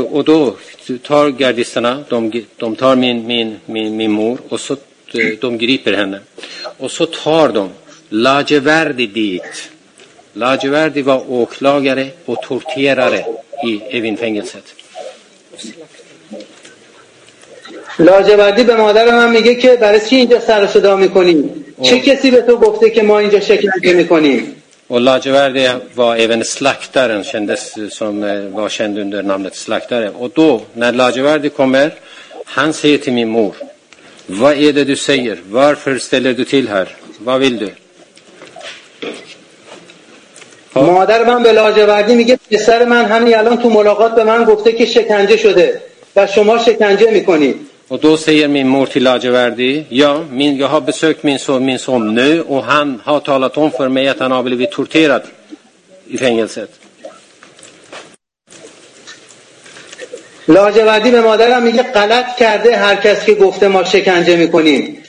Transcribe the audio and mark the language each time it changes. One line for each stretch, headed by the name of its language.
Swedish: Och då tar gardisterna, de tar min mor, och så de griper henne. Och så tar de Lajevardi dit. Lajevardi var åklagare och torterare i Evinfängelset.
Persian: لاجوردی به مادر من میگه که برای چی اینجا سر و صدا میکنیم؟ چه کسی به تو گفته که ما اینجا شکنجه میکنیم؟
Swedish: و لاجوردی var även slaktaren, kändes som var känd under namnet slaktare. Och då när Lajevardi kommer, han säger till min mor: "Vad är det du säger? Varför ställer du till här? Vad vill du?"
Persian: مادر من به لاجوردی میگه پسر من همین الان تو ملاقات به من گفته که شکنجه شده و شما شکنجه میکنید.
Swedish: Och då säger min mor till Lajevardi: "Ja, jag har besökt min son nu, och han har talat om för mig att han har blivit torterad i fängelset." Lajevardi med moderam säger:
Persian: "Galat kärde, här kas ki gofte ma shekanje mikonim.